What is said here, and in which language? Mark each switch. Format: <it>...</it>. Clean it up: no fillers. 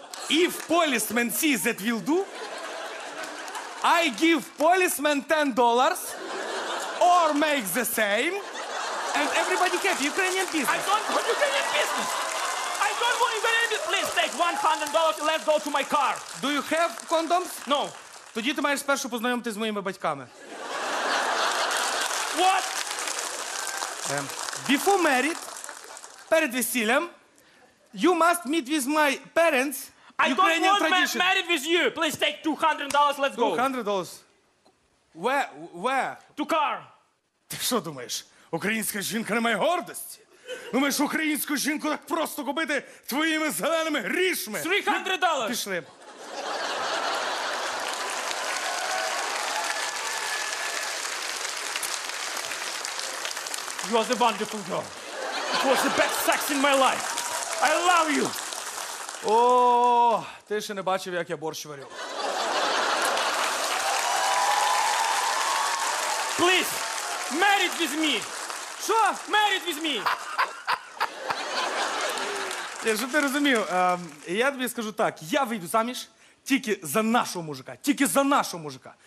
<en>If policeman see that will do, I give policeman $10. Or make the same, and everybody happy, Ukrainian business. I don't want Ukrainian business. I don't want Ukrainian business. Please take $100 and let's go to my car. Do you have condoms? No.</en> <uk>Тоді ти маєш спершу познайомити з моїми батьками.</uk> <en>What? Before married,</en> <uk>перед весіллям,</uk> <en>you must meet with my parents. I Ukrainian don't want tradition. Married with you. Please take $200, let's go. $200. Where? To car.</en> <uk>Ти що думаєш? Українська жінка не має гордості? Думаєш, українську жінку так просто купити твоїми зеленими грішми?</uk> <en>$300.</en> <uk>Пішли.</uk> <en>You are the wonderful girl. It was the best sex in my life. I love you.</en> <uk>О, ти ще не бачив, як я борщ варю.</uk> <en>Please, married with me!</en> <uk>Що?</uk> <en>Married with me!</en> <uk>Я ж не розумію, я тобі скажу так, я вийду заміж тільки за нашого мужика, тільки за нашого мужика.</uk>